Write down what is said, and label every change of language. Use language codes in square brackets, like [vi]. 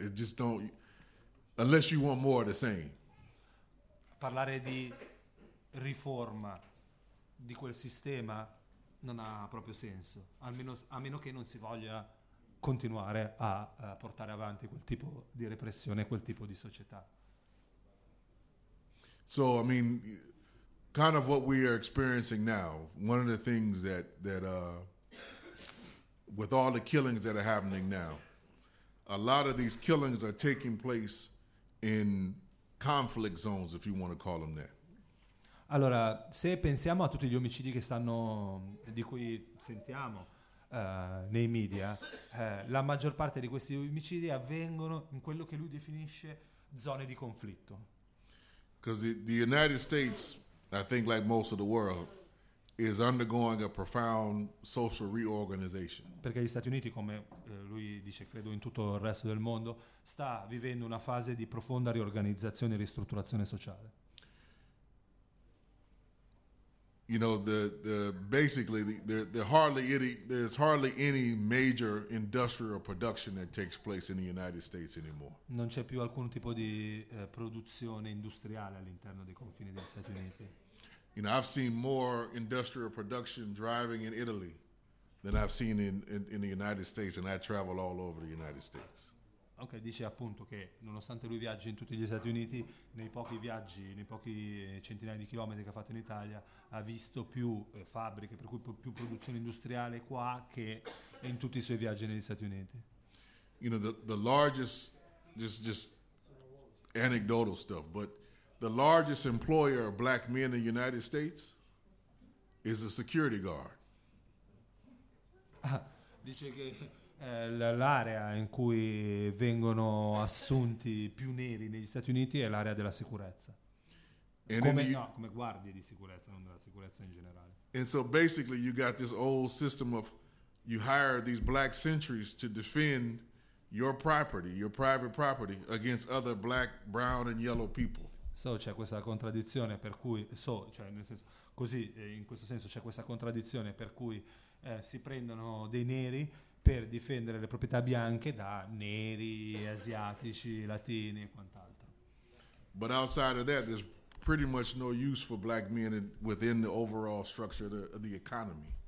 [en] It just don't, unless you want more of the same. [it] Parlare di riforma di quel sistema non ha proprio senso, a meno che non si voglia continuare a portare avanti quel tipo di repressione, quel tipo di società. [en] So, I mean, kind of what we are experiencing now, one of the things that with all the killings that are happening now, a lot of these killings are taking place in conflict zones, if you want to call them that. [it] Allora, se pensiamo a tutti gli omicidi che stanno, di cui sentiamo nei media, la maggior parte di questi omicidi avvengono in quello che lui definisce zone di conflitto. [en] Because the United States, I think like most of the world, is undergoing a profound social reorganization. [it] Perché gli Stati Uniti, come lui dice, credo in tutto il resto del mondo, sta vivendo una fase di profonda riorganizzazione e ristrutturazione sociale. [en] You know, there's hardly any major industrial production that takes place in the United States anymore. [it] Non c'è più alcun tipo di produzione industriale all'interno dei confini degli Stati Uniti. [en] You know, I've seen more industrial production driving in Italy than I've seen in the United States, and I travel all over the United States. [it] Ok, dice appunto che nonostante lui viaggi in tutti gli Stati Uniti, nei pochi centinaia di chilometri che ha fatto in Italia, ha visto più fabbriche, per cui più produzione industriale qua che in tutti i suoi viaggi negli Stati Uniti. [en] You know, the largest, just anecdotal stuff, but the largest employer of black men in the United States is a security guard. [it] Dice che l'area in cui vengono assunti più neri negli Stati Uniti è l'area della sicurezza. Come guardie di sicurezza, non della sicurezza in generale. [en] And so basically you got this old system of you hire these black sentries to defend your property, your private property against other black, brown and yellow people. [it] So c'è questa contraddizione per cui so, cioè nel senso così in questo senso c'è questa contraddizione per cui si prendono dei neri per difendere le proprietà bianche da neri, asiatici, latini e quant'altro. [en] But outside of that, there's pretty much no use for black men within the overall structure of the economy.